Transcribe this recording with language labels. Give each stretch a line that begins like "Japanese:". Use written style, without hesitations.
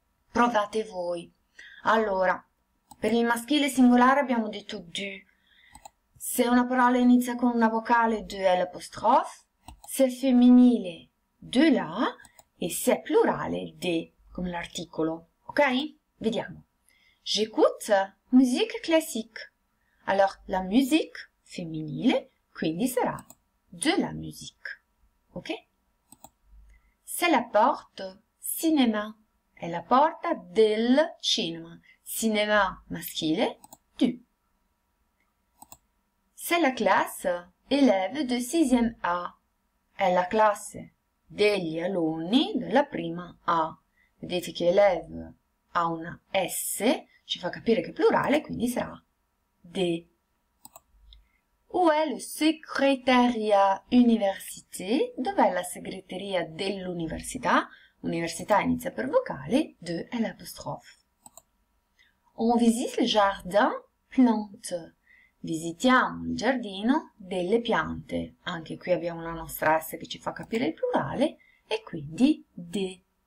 Italian: Provate voi. Allora, per il maschile singolare abbiamo detto du. Se una parola inizia con una vocale, du è l'apostrophe. Se è femminile, de la. E se è plurale, de, come l'articolo. Ok? Vediamo.
French: J'écoute musique classique.
Italian: Alors, la musique, femminile, quindi sarà
French: de la musique.
Italian: Ok?
French: C'est la porte, cinéma.
Italian: È la porta del cinema. Cinema maschile, du.
French: C'est la classe élève de 6e A.
Italian: È la classe degli alunni della prima A. Vedete che élève ha una S, ci fa capire che è plurale, quindi sarà de.
French: Où est le secrétariat université?
Italian: Dov'è la segreteria dell'università? Università inizia per vocale, de e l'apostrophe.
French: On visite le jardin plante.
Italian: Visitiamo il giardino delle piante.
French: Anche qui abbiamo la nostra S che ci fa capire il plurale e quindi de.